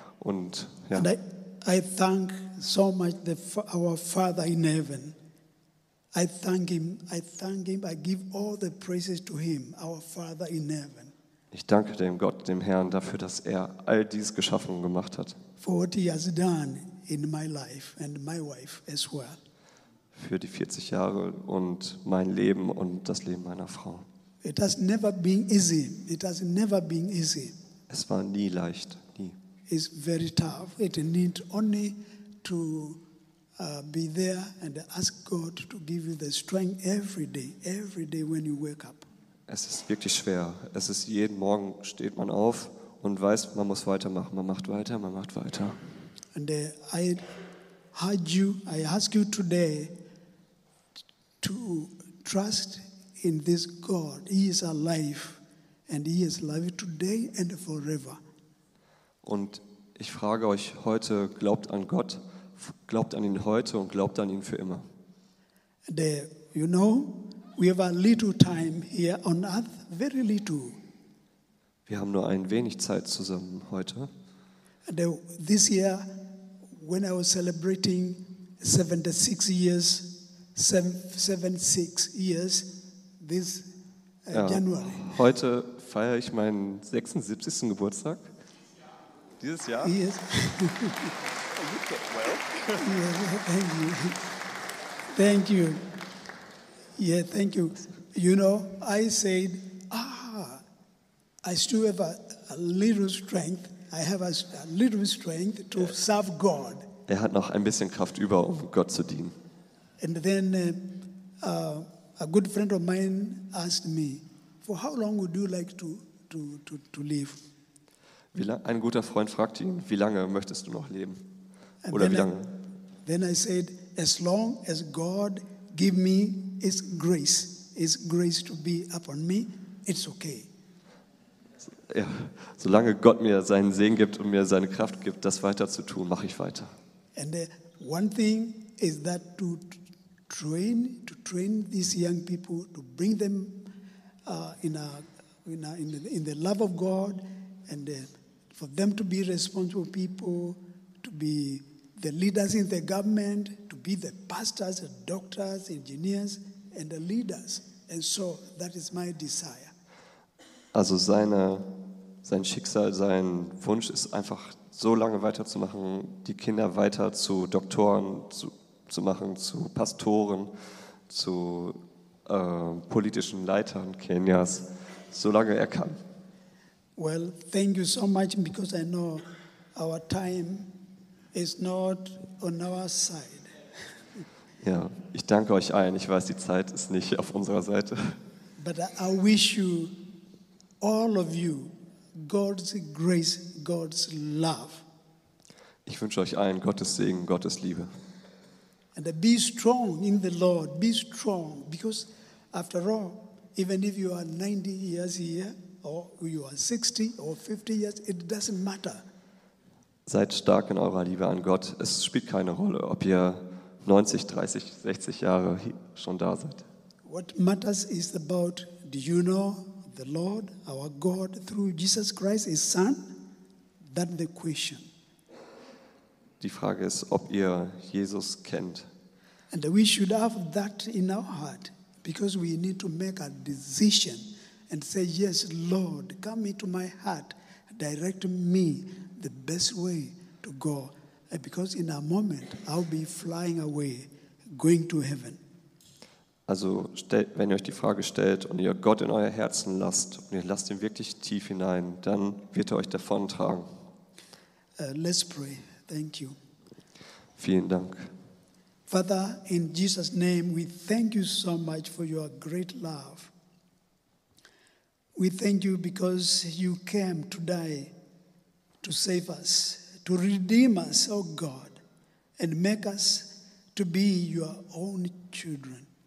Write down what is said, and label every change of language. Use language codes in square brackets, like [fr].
[de] Und, ja. [en] And I thank so much our Father in heaven. I thank him, I give all the praises to him, our Father in heaven. [de] Ich danke dem Gott, dem Herrn, dafür, dass er all dies geschaffen und gemacht hat. [en] For what he has done in my life and my wife as well. [de] Für die 40 Jahre und mein Leben und das Leben meiner Frau. [en] It has never been easy. It has never been easy. [de] Es war nie leicht, nie. [en] It's very tough. It needs only to be there and ask God to give you the strength every day when you wake up. [de] Es ist wirklich schwer. Es ist jeden Morgen steht man auf und weiß, man muss weitermachen. Man macht weiter. [en] And I ask you today to trust in this God. He is alive and he is alive today and forever. [de] Und ich frage euch heute, glaubt an Gott, glaubt an ihn heute und glaubt an ihn für immer. [en] And you know, we have a little time here on earth, very little. [de] Wir haben nur ein wenig Zeit zusammen heute. [en] And this year, when I was celebrating 76 years, this January. [de] Heute feiere ich meinen 76. Geburtstag. Dieses Jahr? [en] Yes. Well. Yeah, thank you. Yeah, thank you. You know, I said, I still have a little strength. I have a little strength to serve God. [de] Er hat noch ein bisschen Kraft über, um Gott zu dienen. [en] And then a good friend of mine asked me, for how long would you like to live? [de] Ein guter Freund fragte ihn, wie lange möchtest du noch leben? Oder wie lange? [en] Then I said, as long as God give me His grace to be upon me, it's okay. [de] Ja, solange Gott mir seinen Segen gibt und mir seine Kraft gibt, das weiter zu tun, mache ich weiter. [en] And one thing is that to train these young people, to bring them in the love of God, and for them to be responsible people, to be the leaders in the government, to be the pastors, doctors, engineers, and the leaders. And so that is my desire. [de] Also sein Schicksal, sein Wunsch ist einfach so lange weiterzumachen, die Kinder weiter zu Doktoren zu machen, zu Pastoren, zu politischen Leitern Kenias, so lange er kann. [en] Well, thank you so much, because I know our time is not on our side. [de] Ja, ich danke euch allen. Ich weiß, die Zeit ist nicht auf unserer Seite. [en] But I wish you, all of you, God's grace, God's love. [de] Ich wünsche euch allen Gottes Segen, Gottes Liebe. [en] And be strong in the Lord. Be strong, because after all, even if you are 90 years here, or you are 60 or 50 years, it doesn't matter. [de] Seid stark in eurer Liebe an Gott. Es spielt keine Rolle, ob ihr 90, 30, 60 Jahre schon da seid. [en] What matters is about, do you know the Lord, our God, through Jesus Christ, his Son? That's the question. [de] Die Frage ist, ob ihr Jesus kennt. [en] And we should have that in our heart, because we need to make a decision and say, yes, Lord, come into my heart, direct me the best way to go, because in a moment I'll be flying away, going to heaven. [de] Also, wenn ihr euch die Frage stellt und ihr Gott in euer Herzen lasst und ihr lasst ihn wirklich tief hinein, dann wird er euch davontragen. [en] Let's pray. Thank you. [de] Vielen Dank. [en] Father, in Jesus' name, we thank you so much for your great love. We thank you because you came to die to save us, to redeem us, O God, and make us to be your own children.